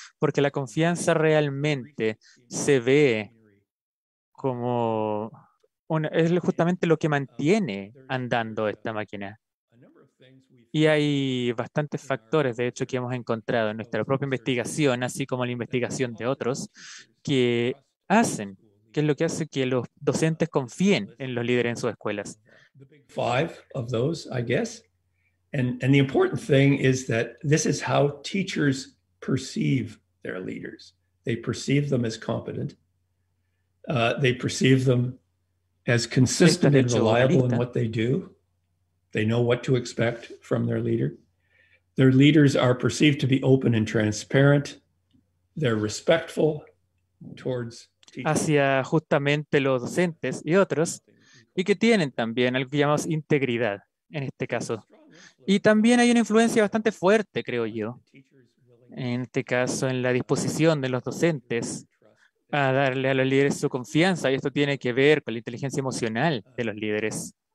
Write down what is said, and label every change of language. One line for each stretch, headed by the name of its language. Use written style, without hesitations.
Spanish: Porque la confianza realmente se ve como es justamente lo que mantiene andando esta máquina. Y hay bastantes factores, de hecho, que hemos encontrado en nuestra propia investigación, así como la investigación de otros, que es lo que hace que los docentes confíen en los líderes en sus escuelas.
English: Five of those, I guess. And the important thing is that this is how teachers perceive their leaders. They perceive them as competent. They perceive them as consistent and reliable in what they do. They know what to expect from their leader. Their leaders are perceived to be open and transparent. They're respectful towards teachers.
Spanish: Hacia justamente los docentes y otros, y que tienen también algo que llamamos integridad en este caso. Y también hay una influencia bastante fuerte, creo yo, en este caso en la disposición de los docentes a darle a los líderes su confianza. Y esto tiene que ver con la inteligencia emocional de los líderes.